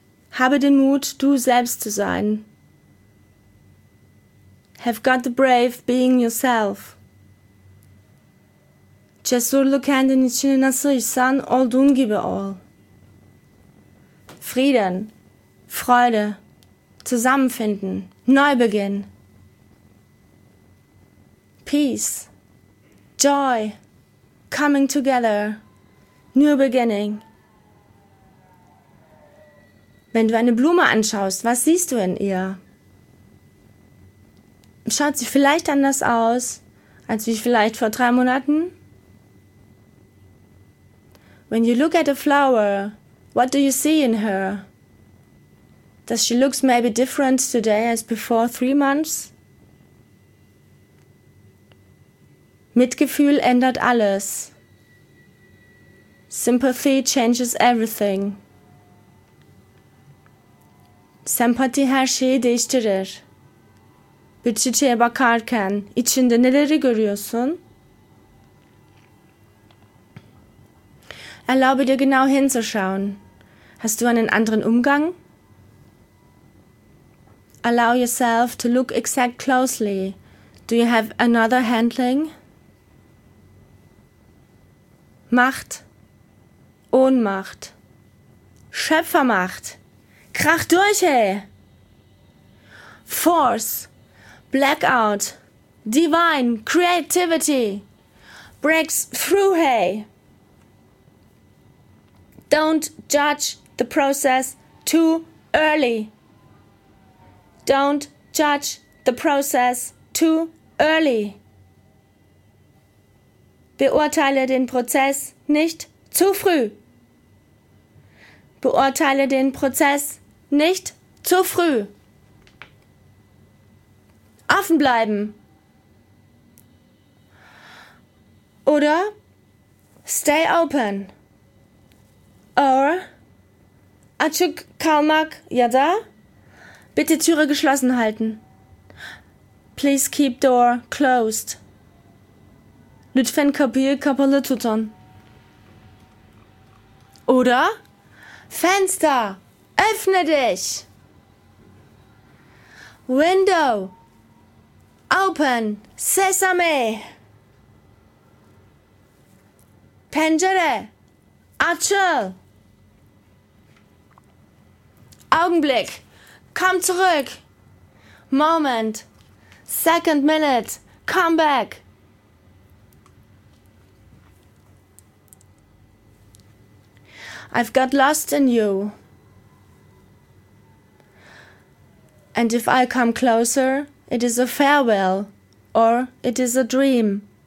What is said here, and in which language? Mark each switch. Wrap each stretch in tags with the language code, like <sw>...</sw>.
<de>Habe den Mut, du selbst zu sein.</de> <en>Have got the brave being yourself.</en> <tr>Cesurlu kendin için nasılsan olduğun gibi ol.</tr> <de>Frieden, Freude, zusammenfinden, Neubeginn.</de> <en>Peace, joy, coming together, new beginning.</en> <de>Wenn du eine Blume anschaust, was siehst du in ihr? Schaut sie vielleicht anders aus, als wie vielleicht vor 3 Monaten?</de> <en>When you look at a flower, what do you see in her? Does she look maybe different today as before 3 months?</en> <de>Mitgefühl ändert alles.</de> <en>Sympathy changes everything.</en> <tr>Sympathie her şeyi değiştirir. Bir çiçeğe bakarken içinde neleri görüyorsun?</tr> <de>Erlaube dir genau hinzuschauen. Hast du einen anderen Umgang?</de> <en>Allow yourself to look exact closely. Do you have another handling?</en> <de>Macht, Ohnmacht, Schöpfermacht, krach durch, ey!</de> <en>Force, Blackout, Divine, Creativity, breaks through, hey! Don't judge the process too early. Don't judge the process too early.</en> <de>Beurteile den Prozess nicht zu früh. Beurteile den Prozess nicht zu früh. Offen bleiben. Oder</de> <en>stay open. Or</en> <tr>açık kalmak ya da</tr> <de>bitte Türe geschlossen halten.</de> <en>Please keep door closed.</en> <tr>Lütfen kapıyı kapalı tutun.</tr> <de>Oder Fenster, öffne dich.</de> <en>Window, open, sesame.</en> <tr>Pencere, açıl.</tr> <de>Augenblick, komm zurück.</de> <en>Moment, second minute, come back. I've got lost in you. And if I come closer, it is a farewell or it is a dream.</en>